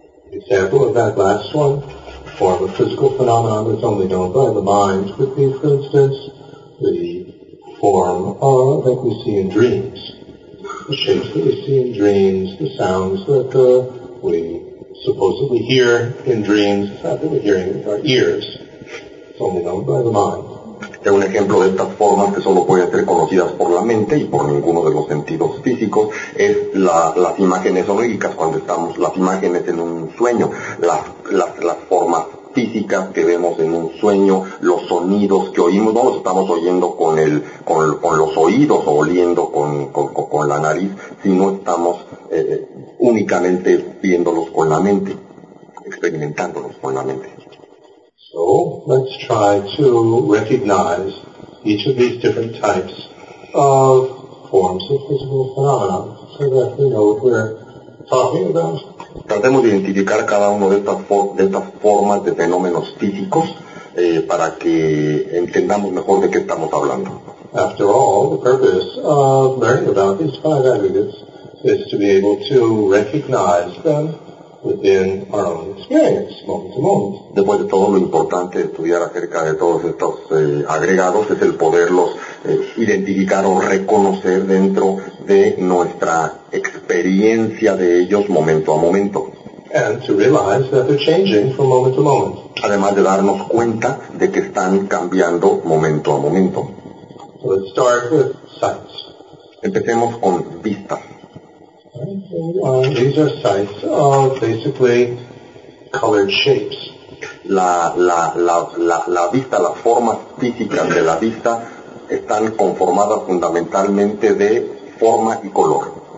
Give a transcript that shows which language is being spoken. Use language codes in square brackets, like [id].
[en] Example of that last one, form of physical phenomenon that's only known by the mind, would be, for instance, the form that we see in dreams, the shapes that we see in dreams, the sounds that we supposedly hear in dreams, the fact that we're hearing with our ears, it's only known by the mind. [es] Es un ejemplo de estas formas que solo pueden ser conocidas por la mente y por ninguno de los sentidos físicos, es las imágenes oníricas, cuando estamos las imágenes en un sueño, las formas físicas que vemos en un sueño, los sonidos que oímos, no los estamos oyendo con los oídos o oliendo con la nariz, sino estamos únicamente viéndolos con la mente, experimentándolos con la mente. [en] So, let's try to recognize each of these different types of forms of physical phenomena so that we know what we're talking about. [es] Tratemos de identificar cada uno de estas formas de fenómenos físicos para que entendamos mejor de qué estamos hablando. [en] After all, the purpose of learning about these five aggregates is to be able to recognize them within our own experience, moment to moment. [es] Después de todo, lo importante de estudiar acerca de todos estos agregados es el poderlos identificar o reconocer dentro de nuestra experiencia de ellos momento a momento. [en] And to realize that they're changing from moment to moment. [es] Además de darnos cuenta de que están cambiando momento a momento. [en] So let's start with sights. [es] Empecemos con vistas. [en] These are sights of basically colored shapes. [es] La vista, las formas físicas de la vista están conformadas fundamentalmente de forma y color.